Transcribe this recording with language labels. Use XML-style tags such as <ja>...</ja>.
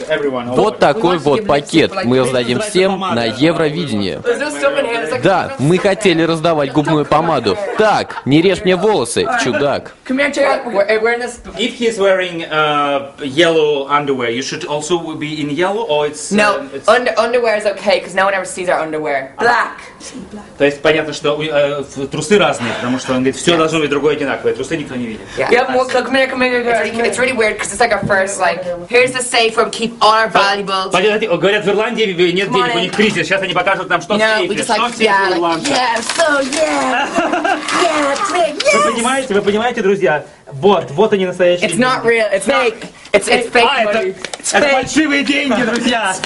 <ru>Вот такой вот пакет мы раздадим всем на Евровидении. Да, мы хотели раздавать губную помаду. Так, не режь мне волосы, чудак.</ru> <en>If he's wearing yellow underwear, you should also be in yellow, or it's... No, underwear is okay, because no one ever sees our underwear. Black.</en> <ru>То есть понятно, что трусы разные, потому что он говорит, все должно быть другое одинаковое, трусы никто не видит.</ru> <en>Yeah, more, look, come here. It's really weird, because it's like our first, like, here's the safe room, keep all our valuables.</en> <ru>Понятно, говорят, в Ирландии нет денег, у них кризис, сейчас они покажут нам, что в сейфе, что в сейфе в Ирландии.</ru> <en>Yeah, so yeah. Yeah, yes.</en> <ru>Вы понимаете, друзья? Вот они настоящие.</ru> <en>It's not real, it's fake. It's fake money.</en> <ru>Это фальшивые деньги, друзья.</ru>